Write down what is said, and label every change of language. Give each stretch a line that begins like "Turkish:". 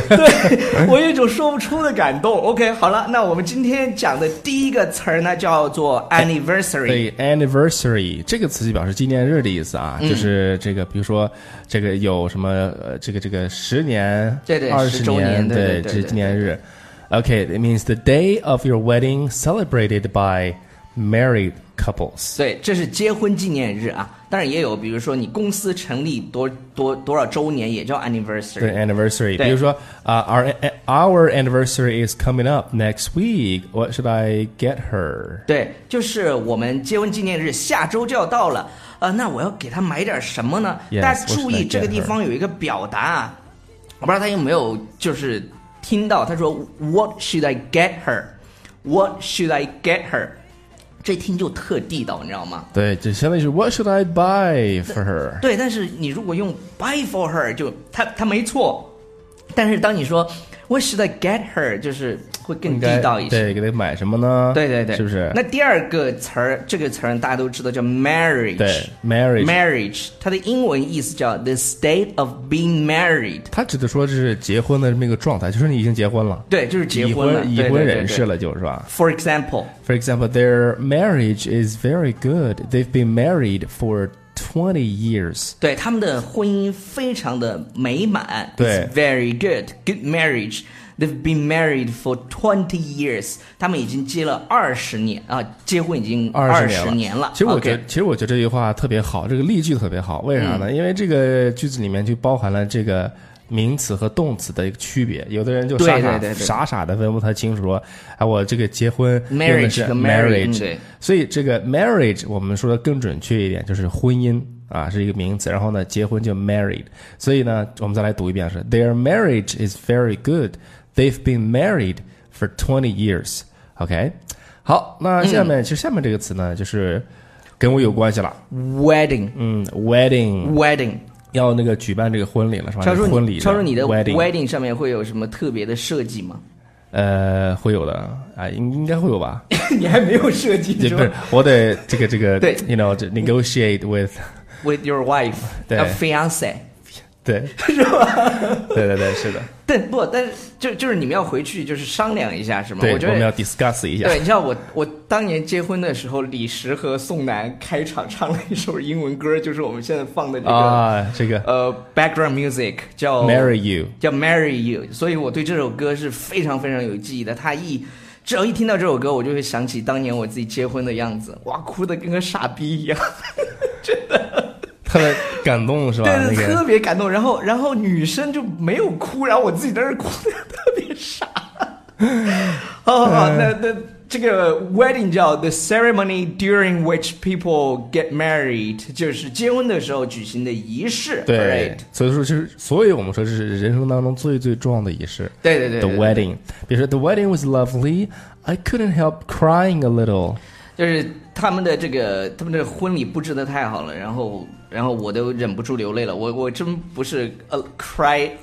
Chinese: 对我有一种说不出的感动。OK， 好了，那我们今天讲的第一个词呢，叫做 anniversary。对 ，anniversary 这个词就表示纪念日的意思啊，就是这个，比如说这个有什么这个十年，对对， 20周年，对 对, 对, 对，这是纪念日。
English: OK， it means the day of your wedding celebrated by married couples。
Chinese: 对，这是结婚纪念日啊。当然也有，比如说你公司成立多少周年也叫 anniversary。
English: 对 anniversary， 比如说our anniversary is coming up next week. What should I get her？
Chinese: 对，就是我们结婚纪念日下周就要到了，那我要给她买点什么呢？
English: Yes,
Chinese: 但注意这个地方有一个表达啊，我不知道她有没有就是听到，她说
English: What should I get her？ What should I get her？
Chinese: 这听就特地道，你知道吗？对，就相当于是
English: What should I buy for her？
Chinese: 对，但是你如果用 buy for her， 就他没错。但是当你说
English: What should I get her，
Chinese: 就是会更地道一些。对，给他买什么呢？对对对，是不是？那第二个词儿，这个词儿大家都知道，叫 marriage。对 ，marriage。 marriage， 它的英文意思叫
English: the state of being married。
Chinese: 它指的说这是结婚的这么一个状态，就是你已经结婚了。对，就是结婚了，已婚人士了，就是吧。
English: For example。 For example, their marriage is very good. They've been married for 20 years.
Chinese: 对，他们的婚姻非常的美满。对
English: ，It's very good, good marriage. They've been married for 20 years.
Chinese: 他们已经结了20年啊，结婚已经 20年了。其实我觉得，
English: okay.
Chinese: 其实我觉得这句话特别好，这个例句特别好。为啥呢？因为这个句子里面就包含了这个名词和动词的一个区别，有的人就傻傻的分不太清楚说，啊，我这个结婚用的是
English: marriage, marriage、嗯、
Chinese: 所以这个 marriage 我们说的更准确一点，就是婚姻啊，是一个名词，然后呢，结婚就 married， 所以呢，我们再来读一遍，是
English: their marriage is very good, they've been married for 20 years，
Chinese: OK， 好，那下面、其实下面这个词呢，就是跟我有关系了，
English: wedding，嗯， wedding， wedding。
Chinese: 要那个举办这个婚礼了是吧？婚礼，超叔，你的
English: wedding
Chinese: 上面会有什么特别的设计吗？会有的啊，应该会有吧。你还没有设计是吧？不是，我得这个对
English: ，you know negotiate with your wife，
Chinese: 对
English: ，a fiance，
Chinese: 对，是吧？对对对，是的。但不，但是就是你们要回去就是商量一下是吗？对，我觉得我们要 discuss 一下。对，你知道我当年结婚的时候，李石和宋楠开场唱了一首英文歌，就是我们现在放的这个background music， 叫
English: Marry You，
Chinese: 叫 Marry You。所以我对这首歌是非常非常有记忆的。他一只要一听到这首歌，我就会想起当年我自己结婚的样子，哇，哭得跟个傻逼一样，真的。特别感动是吧？对、那个、特别感动，然后女生就没有哭，然后我自己在那哭得特别傻。好好好，那这个 wedding 叫
English: the ceremony during which people get married，
Chinese: 就是结婚的时候举行的仪式。对，
English: right？
Chinese: 所以说就是，所以我们说这是人生当中最最重要的仪式。对对 对， 对， 对
English: ，the wedding，
Chinese: 比如说
English: the wedding was lovely， I couldn't help crying a little。
Chinese: 就是他们的这个，他们的婚礼布置的太好了，然后我都忍不住流泪了。我真不是 cry